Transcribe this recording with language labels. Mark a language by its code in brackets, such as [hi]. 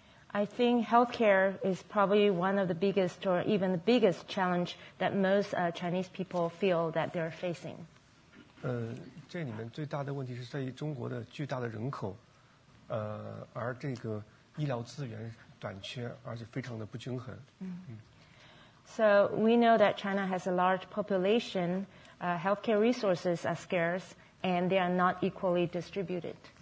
[en] I think healthcare is probably one of the biggest or even the biggest challenge that most Chinese people feel that they're facing. [zh] 这里面最大的问题是在于中国的巨大的人口，而这个医疗资源短缺，而且非常的不均衡。 [en] So we know that China has a large population, healthcare resources are scarce, and they are not equally distributed.